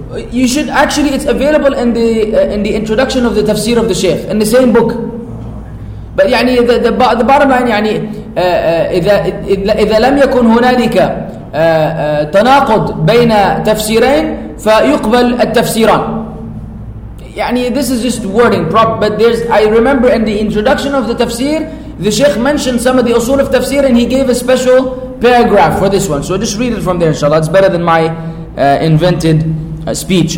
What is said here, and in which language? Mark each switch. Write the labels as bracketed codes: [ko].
[en] You should actually, it's available in the introduction of the tafsir of the Shaykh, in the same book. [ar] But يعني, [en] the bottom line, [ar] يعني, إذا لم يكن هنالك تناقض بين تفسيرين فيقبل التفسيران. [en] يعني, this is just wording, but there's, I remember in the introduction of the tafsir, the Shaykh mentioned some of the usul of tafsir and he gave a special paragraph for this one. So just read it from there, inshallah. It's better than my invented speech.